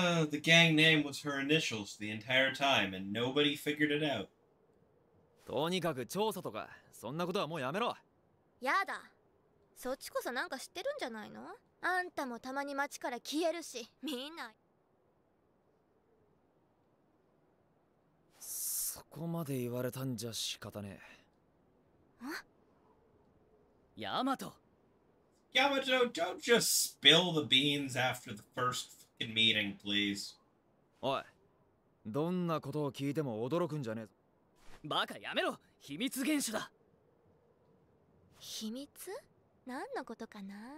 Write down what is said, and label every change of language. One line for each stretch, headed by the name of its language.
English: The gang name was her initials the entire time and nobody figured it out。
Japanese: とにかく調査とかそんなことはもうやめろ。やだ、そっちこそなんか知ってるんじゃないの。あんたもたまに街から消えるし、みんな。そこまで言われたんじゃ仕方ねえ。ヤマト。ヤマト、
English: don't just spill the beans after the first fucking meeting, please.
Japanese: おい、どんなことを聞いても驚くんじゃねえぞ。バカやめろ、秘密厳守だ。秘密？何のことかな？